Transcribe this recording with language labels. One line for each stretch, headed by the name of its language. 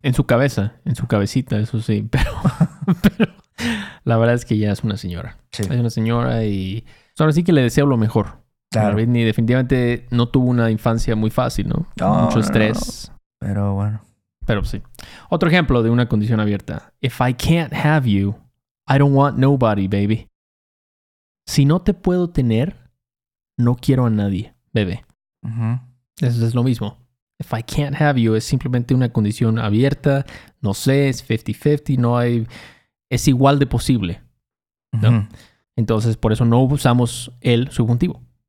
Spanish: En su cabeza. En su cabecita, eso sí. Pero la verdad es que ya es una señora. Sí. Es una señora y ahora sí que le deseo lo mejor. Claro. A Britney definitivamente no tuvo una infancia muy fácil, ¿no? Mucho estrés. No. Pero bueno. Pero sí. Otro ejemplo de una condición abierta.
English: If I can't have you, I don't want nobody, baby.
Spanish: Si no te puedo tener, no quiero a nadie, bebé. Uh-huh. Eso es lo mismo.
English: If I can't have you,
Spanish: es simplemente una condición abierta. No sé, es 50-50. No hay... Es igual de posible. ¿No? Uh-huh. Entonces, por eso no usamos el subjuntivo.